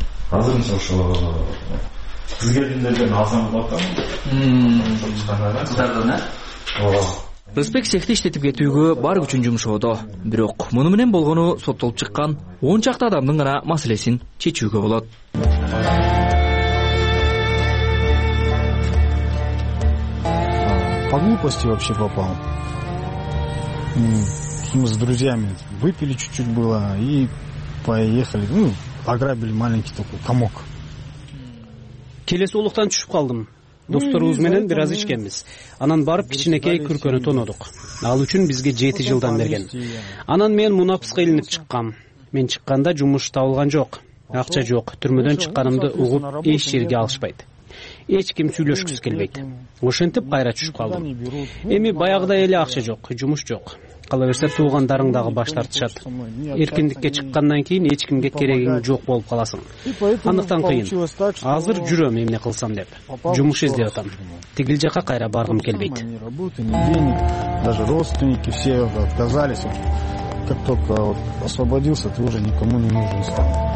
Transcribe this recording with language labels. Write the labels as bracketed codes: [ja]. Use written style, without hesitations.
[ky] Азырынча ошо кыз келгендерден алсам болот да? Чыккандардан. Кыздардан э? Ооба. Рысбек цехти иштетип кетүүгө бар күчүн жумшоодо. Бирок муну менен болгону соттолуп чыккан 10 чакты адамдын гана маселесин чечүүгө болот. [ru] По глупости вообще попал. Мы с друзьями выпили чуть-чуть было и поехали. Ограбили маленький такой комок. [ky] Келеси улуктан түшүп калдым. Досторубуз менен бир аз ичкенбиз. Анан барып кичинекей күркөнү тонодук. Ал үчүн бизге 7 жылдан берген. Анан мен мунапыска илинип чыккам. Мен чыкканда жумуш табылган жок. Акча жок. Түрмөдөн чыкканымды угуп эч жерге алышпайт. Эч ким сүйлөшкүсү келбейт. Ошентип кайра түшүп калдым. Эми баягыдай эле акча жок, жумуш жок. Кала берсе туугандарың дагы баш тартышат. Эркиндикке чыккандан кийин эч кимге керегиң жок болуп каласың. Андыктан кыйын. Азыр жүрөм эмне кылсам деп. Жумуш издеп атам. Тигил жака кайра баргым келбейт. [ru] Даже родственники все отказались. Как только освободился, ты уже никому не нужен стал.